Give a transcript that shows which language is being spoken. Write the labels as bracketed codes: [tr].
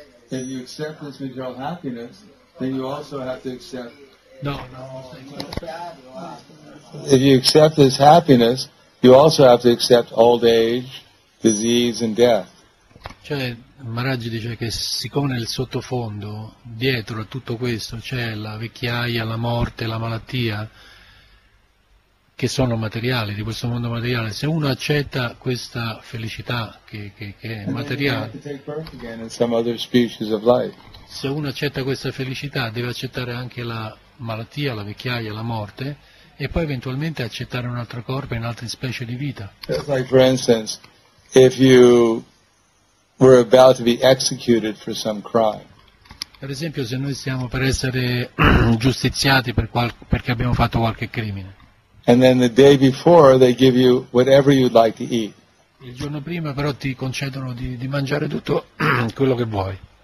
[en] If you accept this material happiness, then you also have to accept. No. If you accept this happiness, you also have to accept old age, disease, and death. [it] Cioè, Maharaj dice che siccome nel sottofondo, dietro a tutto questo, c'è la vecchiaia, la morte, la malattia, che sono materiali, di questo mondo materiale, se uno accetta questa felicità che è materiale, se uno accetta questa felicità deve accettare anche la malattia, la vecchiaia, la morte, e poi eventualmente accettare un altro corpo e un'altra specie di vita. [en] Like for instance, if you were about to be executed for some crime. [it] Per esempio, se noi stiamo per essere giustiziati perché abbiamo fatto qualche crimine. [en] And then the day before they give you whatever you'd like to eat. [it] Il giorno prima però ti concedono di mangiare tutto quello che vuoi.